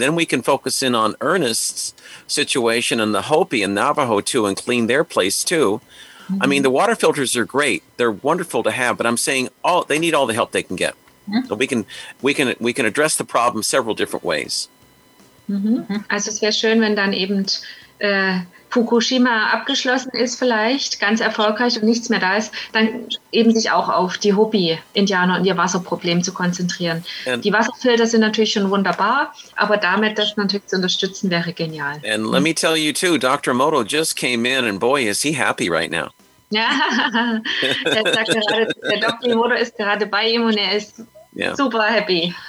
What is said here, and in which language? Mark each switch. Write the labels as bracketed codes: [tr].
[en] And then we can focus in on Ernest's situation and the Hopi and Navajo too and clean their place too. I mean, the water filters are great. They're wonderful to have, but I'm saying they need all the help they can get. So we can address the problem several different ways. [de] Also es wäre schön, wenn dann eben Fukushima abgeschlossen ist vielleicht, ganz erfolgreich und nichts mehr da ist, dann eben sich auch auf die Hopi-Indianer und ihr Wasserproblem zu konzentrieren. And die Wasserfilter sind natürlich schon wunderbar, aber damit das natürlich zu unterstützen, wäre genial. [en] And let me tell you too, Dr. Moto just came in and boy, is he happy right now. [de] Ja, der Dr. Moto ist gerade bei ihm und er ist super happy.